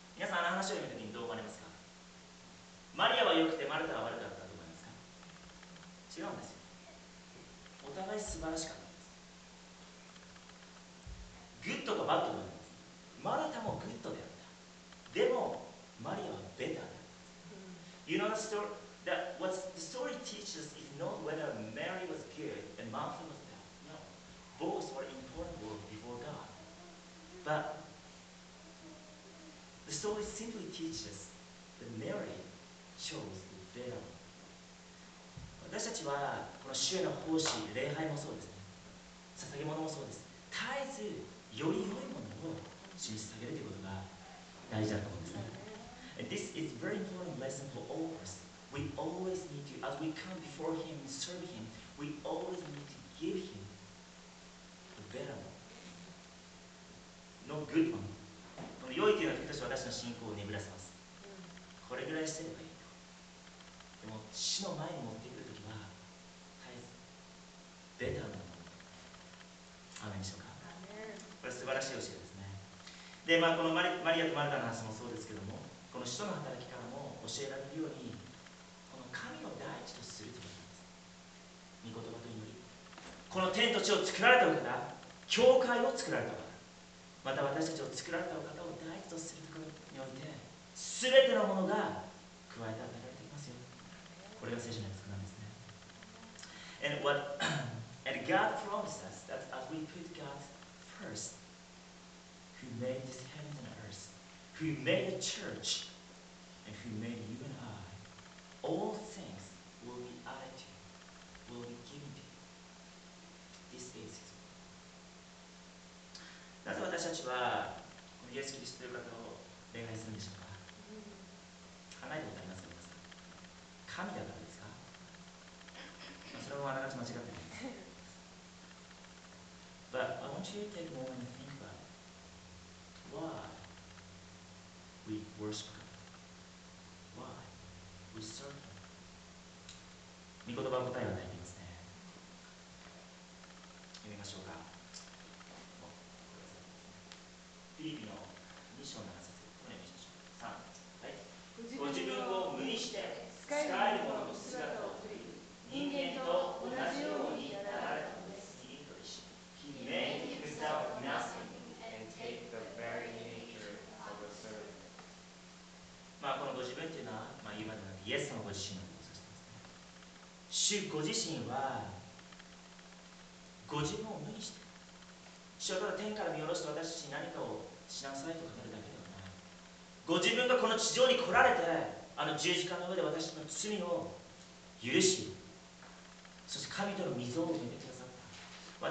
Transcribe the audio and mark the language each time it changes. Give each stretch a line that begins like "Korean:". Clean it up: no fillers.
Japanese: 話を読むときにどう思われますか？マリアは良くてマルタは悪かったと思いますか？違うんですよ。お互い素晴らしかったんです。グッドかバッドではないんです。マルタもグッドであった。でもマリアはベターだった。
English: You know the story that what the story teaches is not whether Mary was good and Martha was bad. No, both were important before God. ButThe story simply teaches that Mary chose the better one.
Japanese: 私たちはこの主への奉仕、礼拝もそうですね。捧げ物もそうです。絶えずより良いものを主に捧げるということが大事だと思うんですね。
English: And this is a very important lesson for all of us. We always need to, as we come before Him and serve Him, we always need to give Him the better one. No good one.
Japanese: 良いというのは時々私の信仰を眠らせます。これぐらいしてればいいと。でも死の前に持ってくるときは絶えずベターなものを。アメンでしょうか。これ素晴らしい教えですね。で、まあ、このマリアとマルタの話もそうですけども、この使徒の働きからも教えられるように、この神を第一とするということなんです。御言葉と祈り、この天と地を作られたお方、教会を作られたお方、また私たちを作られたお方を第一とするところにおいて、すべてのものが加えて与えられていますよ。これが聖書の約束なんですね。
English: And God promised us that as we put God first, who made this heaven and earth, who made the church, and who made you and I, all things will be added to you, will be given to you. This is His.
Japanese: なぜ私たちはこのイエス・キリストという方を礼拝するんでしょうか。考えたことありますか、皆さん。神だからですか。まあ、それもあながち間違っていないです。
English: But I want you to take a moment and think about why we worship God. Why we serve Him.
Japanese: 御言葉の答えは何ですね。読みましょうか。フィリピの2章7節、お願いしましょう。 3、はい、ご自分を無にして使えるものの姿を取り、人間と同じようになられたのです。キリストと一緒に
English: He made himself nothing and take the very nature of a servant。
Japanese: まあこのご自分というのは、まあ、言うまでなくイエス様ご自身のことを指してますね。主ご自身はご自分を無にして、主はただ天から見下ろして私たちに何かをしなさいと語るだけではない。ご自分がこの地上に来られて、あの十字架の上で私たちの罪を許し、そして神との溝を埋めてくださった。